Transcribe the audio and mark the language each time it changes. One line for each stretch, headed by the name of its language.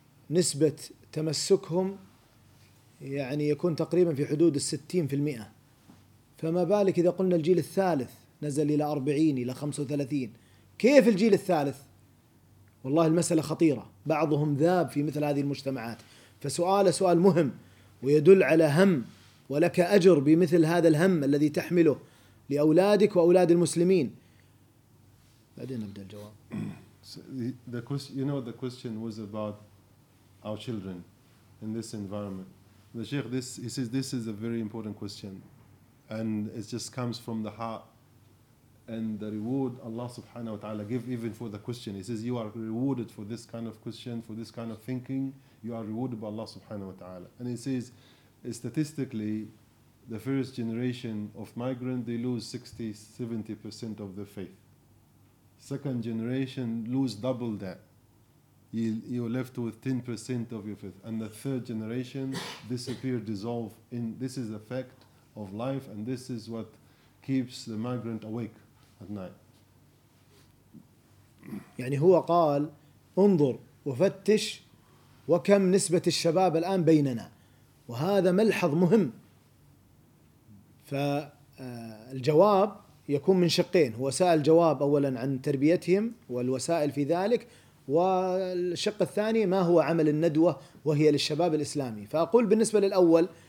Arabic: نسبة تمسكهم يعني يكون تقريبا في حدود 60% فما بالك إذا قلنا الجيل الثالث نزل إلى 40 إلى 35 كيف الجيل الثالث؟ والله المسألة خطيرة بعضهم ذاب في مثل هذه المجتمعات فسؤال سؤال مهم ويدل على هم ولك أجر بمثل هذا الهم الذي تحمله لأولادك وأولاد المسلمين. بعدين نبدأ الجواب.
English: The question, you know, the question was about our children in this environment. The Sheikh, this he says, this is a very important question, and it just comes from the heart. And the reward Allah Subhanahu wa Taala give even for the question. He says, you are rewarded for this kind of question, for this kind of thinking. You are rewarded by Allah subhanahu wa ta'ala. And it says, statistically, the first generation of migrants, they lose 60-70% of their faith. Second generation lose double that. You're left with 10% of your faith. And the third generation disappear, dissolve. In this is the fact of life, and this is what keeps the migrant awake at night.
Arabic: يعني هو قال, انظر وفتش وكم نسبة الشباب الآن بيننا وهذا ملحظ مهم فالجواب يكون من شقين هو سأل جواب أولا عن تربيتهم والوسائل في ذلك والشق الثاني ما هو عمل الندوة وهي للشباب الإسلامي فأقول بالنسبة للأول